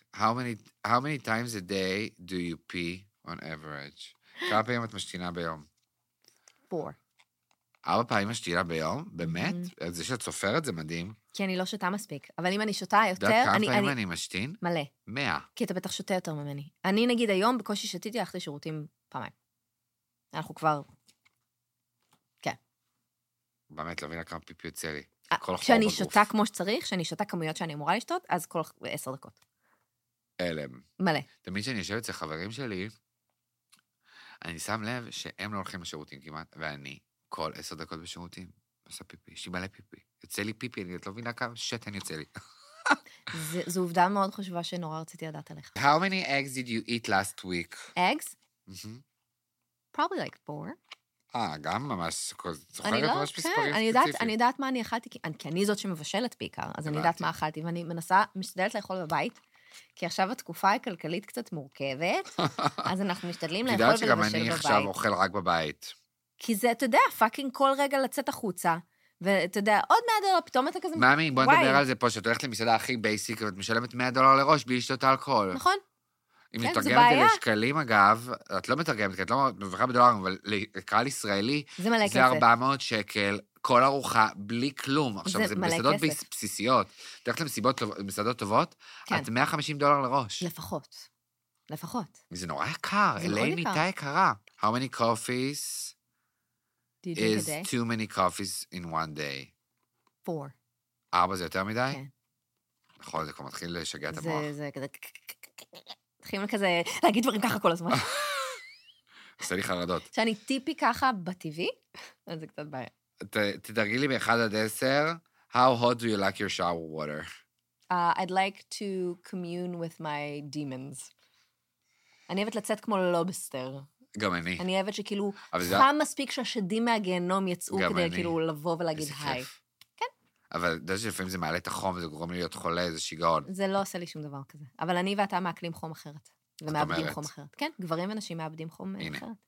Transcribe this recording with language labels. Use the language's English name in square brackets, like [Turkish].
[English] How many times a day do you pee on average? [Hebrew] כמה פעמים את משתינה ביום? 4. 4 פעמים משתינה ביום? באמת? זה שאת סופרת זה מדהים. כי אני לא שותה מספיק. אבל אם אני שותה יותר... דעת כמה פעמים אני משתין? מלא. 100. כי אתה בטח שותה יותר ממני. אני נגיד היום בקושי שתיתי הלכתי שירותים פעמיים. אנחנו כבר... באמת, לא מבין כמה פיפי יוצא לי. כשאני שותה כמו שצריך, כשאני שותה כמויות שאני אמורה לשתות, אז כל 10 דקות. אלם. מלא. תמיד שאני יושב אצל חברים שלי, אני שם לב שהם לא הולכים לשירותים כמעט, ואני כל 10 דקות בשירותים, עושה פיפי, יש לי מלא פיפי. יוצא לי פיפי, אני לא מבין כמה שתן יוצא לי. זו עובדה מאוד חשובה שנורא רציתי לדעת עליך. [English] How many eggs did you eat last week? Eggs? Probably like 4. [Hebrew] גם ממש, זוכרת ממש מספרים ספציפיים. אני יודעת מה אני אכלתי, כי אני זאת שמבשלת בעיקר, אז אני יודעת מה אכלתי, ואני מנסה, משתדלת לאכול בבית, כי עכשיו התקופה הכלכלית קצת מורכבת, אז אנחנו משתדלים לאכול ולבשל בבית. אני יודעת שגם אני עכשיו אוכל רק בבית. כי זה, אתה יודע, פאקינג כל רגע לצאת החוצה, ואתה יודע, עוד 100 דולר, פתאום אתה כזה... מאמי, בוא נדבר על זה פה, שאת הולכת למסעדה הכי בייסיק, ואת משלמת 100 דולר לראש בלי לשתות אלכוהול. נכון. אם כן, מתרגמת לי לשקלים, אגב, את לא מתרגמת, כי את לא מבחה בדולר, אבל לקהל ישראלי, זה 400 שקל, כל ארוחה, בלי כלום. עכשיו, זה מסעדות בסיסיות. תלכת למסעדות טובות, כן. את 150 דולר לראש. לפחות. לפחות. זה נורא יקר. זה אלי ניתה יקרה. [English] How many coffees is too many coffees in one day? [Hebrew] 4. 4 זה יותר מדי? כן. נכון, זה כבר מתחיל לשגע את המוח. זה כזה... צריכים כזה להגיד דברים ככה כל הזמן. עושה לי חרדות. שאני טיפי ככה בטבעי, אז זה קצת בעיה. תדרגי לי מאחד עד עשר, [English] how hot do you like your shower water? I'd like to commune with my demons. [Hebrew] אני אוהבת לצאת כמו לובסטר. גם אני. אני אוהבת שכאילו חם מספיק שהשדים מהגיהנום יצאו כדי כאילו לבוא ולהגיד היי. אבל דעת שלפעמים זה מעלה את החום, זה גורם לי להיות חולה, זה שיגעון. זה לא עושה לי שום דבר כזה. אבל אני ואתה מעכלים חום אחרת. ומאבדים חום אחרת. כן, גברים ונשים מאבדים חום אחרת.